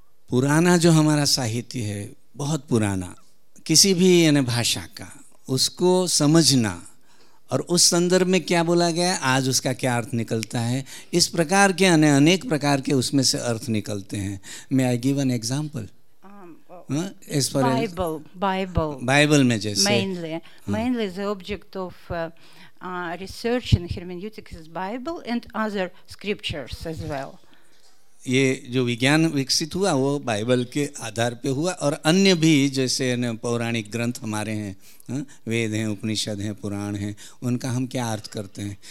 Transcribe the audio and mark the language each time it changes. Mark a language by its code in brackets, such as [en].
[hi] पुराना जो हमारा साहित्य है बहुत पुराना किसी भी यानी भाषा का उसको समझना और उस संदर्भ में क्या बोला गया आज उसका क्या अर्थ निकलता है इस प्रकार के अनेक प्रकार के उसमें से अर्थ निकलते हैं [en] may I give an example [hi] Bible में जैसे [en] mainly the object of research in hermeneutics is Bible and other scriptures as well [hi] ये जो विज्ञान विकसित हुआ वो बाइबल के आधार पे हुआ, और अन्य भी जैसे पौराणिक ग्रंथ हमारे हैं, वेद हैं, उपनिषद हैं, पुराण हैं, उनका हम क्या अर्थ करते हैं।